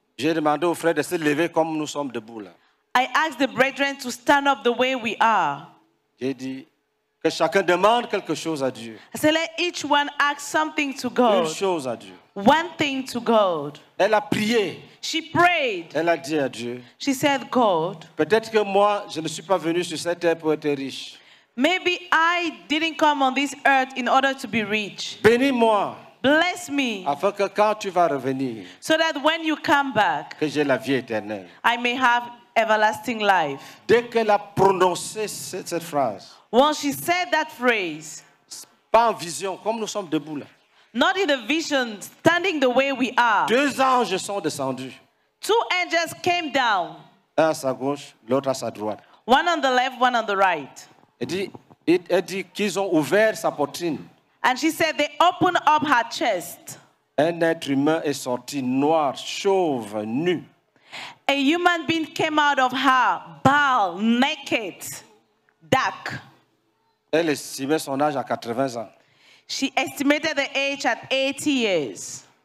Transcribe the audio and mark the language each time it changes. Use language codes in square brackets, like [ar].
[fr] J'ai demandé aux frères de se lever comme nous sommes debout là. [en] I asked the brethren to stand up the way we are. [fr] J'ai dit que chacun demande quelque chose à Dieu. [en] I said let each one ask something to God. [fr] Une chose à Dieu. [en] One thing to God. [fr] Elle a prié. [en] She prayed. [fr] Elle a dit à Dieu. [en] She said, God. [fr] Peut-être que moi, je ne suis pas venu sur cette terre pour être riche. [en] Maybe I didn't come on this earth in order to be rich. [fr] Bénis-moi. [en] Bless me. [fr] Afin que quand tu vas revenir. [en] So that when you come back. [fr] Que j'ai la vie éternelle. [en] I may have everlasting life. [fr] Dès qu'elle a prononcé cette phrase. [en] When she said that phrase. [fr] Pas en vision, comme nous sommes debout là. [en] Not in the vision, standing the way we are. [fr] Deux anges sont descendus. [en] Two angels came down. [fr] Un à sa gauche, l'autre à sa droite. [en] One on the left, one on the right. [fr] Elle dit qu'ils ont ouvert sa poitrine. [en] And she said they opened up her chest. [fr] Un être humain est sorti noir, chauve, nu. [en] A human being came out of her, bald, naked, dark. [fr] Elle estimait son âge à 80 ans. [en] She estimated the age at 80 years.